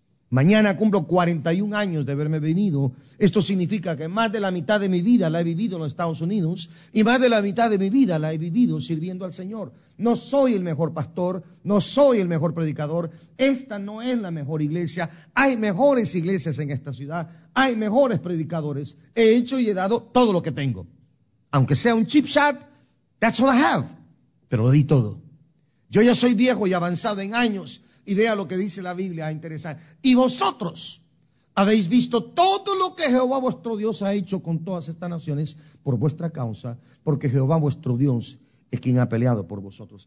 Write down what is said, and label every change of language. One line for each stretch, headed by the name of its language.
Spanish: Mañana cumplo 41 años de haberme venido. Esto significa que más de la mitad de mi vida la he vivido en los Estados Unidos y más de la mitad de mi vida la he vivido sirviendo al Señor. No soy el mejor pastor, no soy el mejor predicador. Esta no es la mejor iglesia. Hay mejores iglesias en esta ciudad. Hay mejores predicadores. He hecho y he dado todo lo que tengo. Aunque sea un
English: cheap shot, that's all I have.
Spanish: Pero lo di todo. Yo ya soy viejo y avanzado en años. Y vea lo que dice la Biblia, interesante. Y vosotros habéis visto todo lo que Jehová vuestro Dios ha hecho con todas estas naciones por vuestra causa, porque Jehová vuestro Dios es quien ha peleado por vosotros.